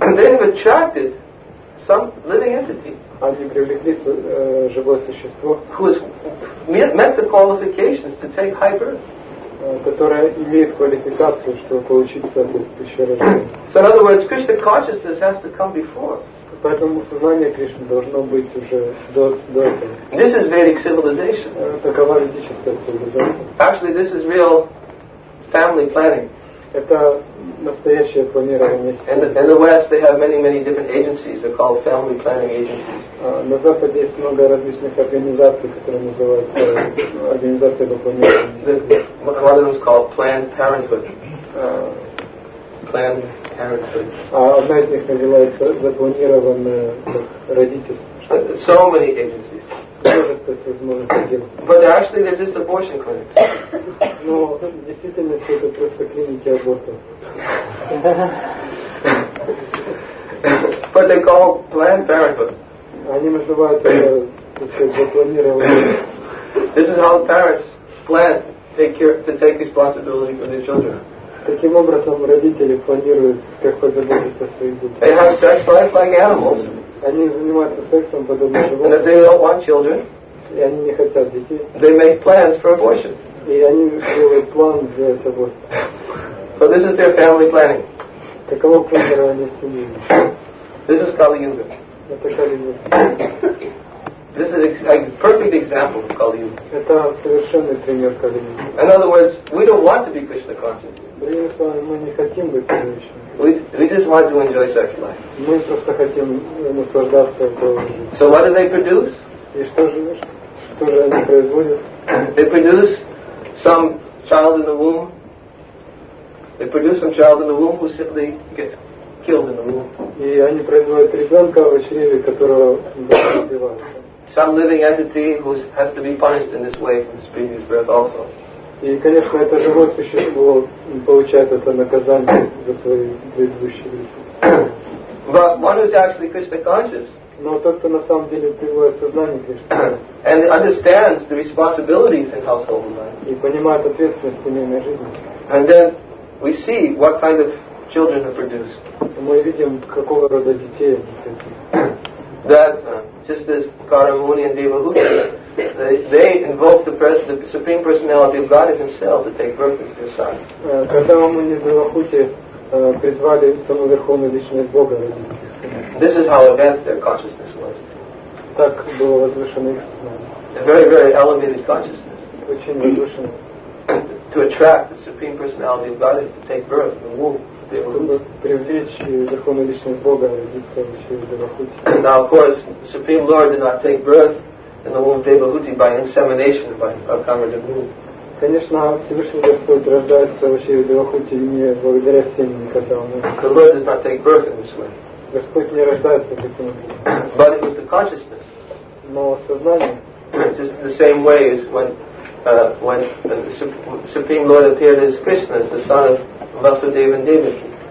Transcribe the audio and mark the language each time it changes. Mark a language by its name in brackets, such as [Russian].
[English] And they have attracted some living entity. [Russian] Они привлекли живое существо. [English] Who has met the qualifications to take high birth. [Russian] Которая имеет квалификацию, чтобы получить соответствующее рождение. [English] So in other words, Krishna consciousness has to come before. [Russian] Поэтому сознание Кришны должно быть уже до этого. [English] This is Vedic civilization. [Russian] Такова ведическая цивилизация. [English] Actually, this is real family planning. [Russian] Это настоящее планирование. [English] In the West, they have many, many different agencies. They're called family planning agencies. [Russian] На Западе есть много различных организаций, которые называются организации по планированию. [English] One of them is called Planned Parenthood. Planned Parenthood. [Russian] Одна из них называется запланированное родительство. [English] So many agencies. But actually, they're just abortion clinics. [Russian] Но в действительности это просто клиники абортов. [English] But they call Planned Parenthood. [Russian] Они называют это запланированное. [English] This is how parents plan to take responsibility for their children. [Russian] Таким образом, родители планируют, как позаботиться о своих детях. [English] They have sex life like animals. [Russian] Они занимаются сексом подобно животным. [English] And if they don't want children, [Russian] и они не хотят детей, [English] they make plans for abortion. [Russian] И они делают план для того. [English] So this is their family planning. [Russian] Таково планирование семьи. [English] This is Kali Yuga. [Russian] Это Kali Yuga. [English] This is a perfect example of Kali Yuga. [Russian] Это совершенный пример Kali Yuga. [English] In other words, we don't want to be Krishna conscious. [Russian] Другими словами, мы не хотим быть Кришной. [English] We just want to enjoy sex life. [Russian] Мы просто хотим наслаждаться этим. [English] So what do they produce? [Russian] И что же они производят? [English] They produce some child in the womb. They produce some child in the womb who simply gets killed in the womb. [Russian] И они производят ребенка в чреве, которого убивают. [English] Some living entity who has to be punished in this way from his previous birth also. [Russian] И, конечно, это живое существо получает это наказание за свои предыдущие жизни. [English] But one who's actually Krishna conscious. [Russian] Но тот, кто на самом деле пребывает в сознании Кришны. [English] And understands the responsibilities in household life. [Russian] И понимает ответственность в семейной жизни. [English] And then we see what kind of children are produced. [Russian] Мы видим, какого рода детей они [English] That just as Karamuni and Devahuti, they invoke the Supreme Personality of Godhead Himself to take birth as their son. [Russian] Karamuni and Devahuti призвали саму верховную личность Бога. [English] This is how advanced their consciousness was. [Russian] Так было возвышено их сознание. [English] A very, very elevated consciousness. [Russian] Очень возвышено. [English] To attract the Supreme Personality of Godhead to take birth in the womb. [Russian] Чтобы привлечь верховную личность Бога родиться через Девахути. [English] Now, of course, the Supreme Lord did not take birth in the womb of Devahuti by insemination by Kamarajan Guru. [Russian] Конечно, Всевышний Господь рождается вообще в Девахути не благодаря семени, когда он. [English] The Lord does not take birth in this way. [Russian] Господь не рождается таким образом. [English] But it was the consciousness. [Russian] Но сознание. [English] Just the same way as when the Supreme Lord appeared as Krishna, as the son of Vasudeva and Devaki.